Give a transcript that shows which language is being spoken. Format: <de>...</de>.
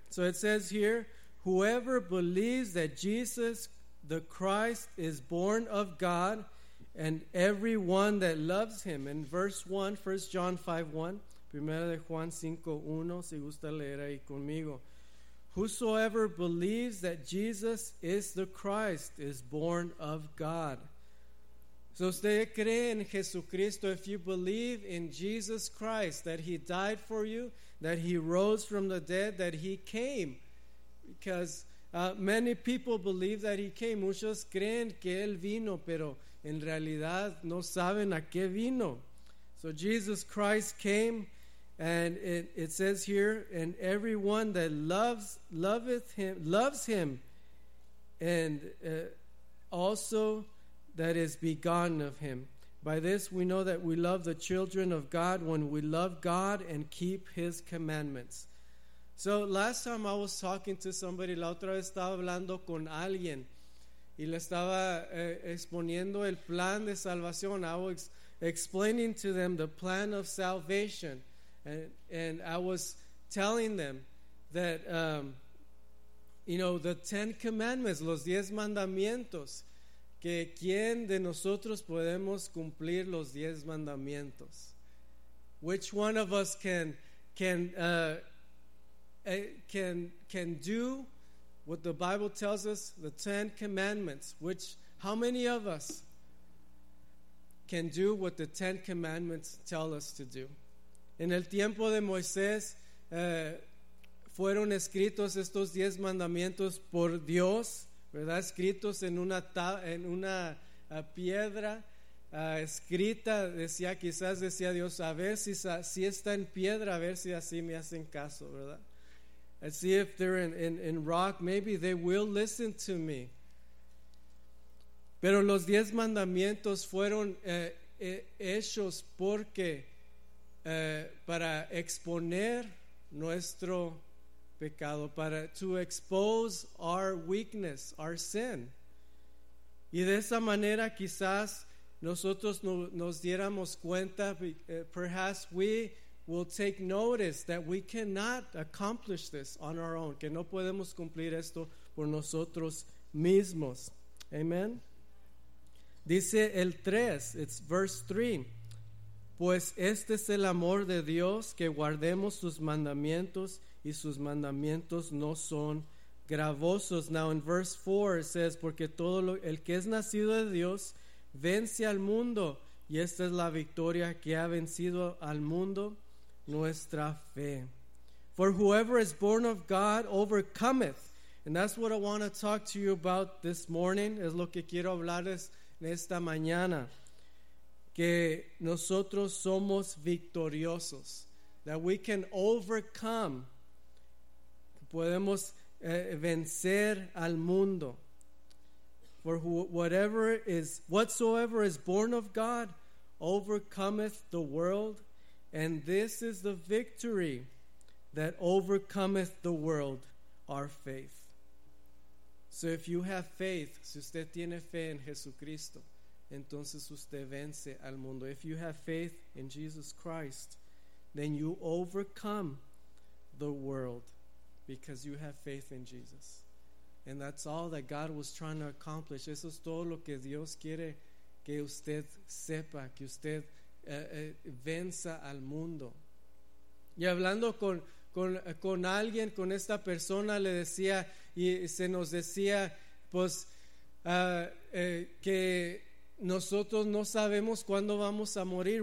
<en>So it says here, whoever believes that Jesus the Christ is born of God, and everyone that loves him. In verse 1, 1 John 5:1,</en> <es>primera de Juan 5:1, si gusta leer ahí conmigo.</es> <en>Whosoever believes that Jesus is the Christ is born of God. So</en> <es>usted cree en Jesucristo,</es> <en>if you believe in Jesus Christ, that he died for you, that he rose from the dead, that he came, because many people believe that he came.</en> <es>Muchos creen que él vino, pero en realidad no saben a qué vino.</es> <en>So Jesus Christ came, and it says here, and everyone that loves him, and also that is begotten of him. By this we know that we love the children of God when we love God and keep his commandments. So last time I was talking to somebody,</en> <es>la otra vez estaba hablando con alguien y le estaba exponiendo el plan de salvación.</es> <en>I was explaining to them the plan of salvation, and I was telling them that, the Ten Commandments,</en> <es>los diez mandamientos, que quién de nosotros podemos cumplir los diez mandamientos.</es> <en>Which one of us can do what the Bible tells us, the Ten Commandments? How many of us can do what the Ten Commandments tell us to do?</en> <es>En el tiempo de Moisés, fueron escritos estos diez mandamientos por Dios, ¿verdad? Escritos en una piedra escrita, decía Dios, a ver si está en piedra, a ver si así me hacen caso, ¿verdad?</es> <en>And see if they're in rock, maybe they will listen to me.</en> <es>Pero los diez mandamientos fueron hechos porque para exponer nuestro pecado, para</es> <en>to expose our weakness, our sin.</en> <es>Y de esa manera quizás nosotros nos diéramos cuenta,</es> <en>perhaps we will take notice that we cannot accomplish this on our own,</en> <es>que no podemos cumplir esto por nosotros mismos. Amen. Dice el 3,</es> <en>it's verse 3.</en> <es>Pues este es el amor de Dios, que guardemos sus mandamientos, y sus mandamientos no son gravosos.</es> <en>Now in verse 4 it says,</en> <es>porque todo el que es nacido de Dios vence al mundo, y esta es la victoria que ha vencido al mundo, nuestra fe.</es> <en>For whoever is born of God overcometh. And that's what I want to talk to you about this morning.</en> <es>Es lo que quiero hablarles en esta mañana. Que nosotros somos victoriosos.</es> <en>That we can overcome.</en> <es>Podemos vencer al mundo.</es> <en>For whatsoever is born of God overcometh the world. And this is the victory that overcometh the world, our faith. So if you have faith,</en> <es>si usted tiene fe en Jesucristo, entonces usted vence al mundo.</es> <en>If you have faith in Jesus Christ, then you overcome the world because you have faith in Jesus. And that's all that God was trying to accomplish.</en> <es>Eso es todo lo que Dios quiere que usted sepa, que usted venza al mundo. Y hablando con alguien, con esta persona, le decía y se nos decía, pues, que nosotros no sabemos cuándo vamos a morir.</es>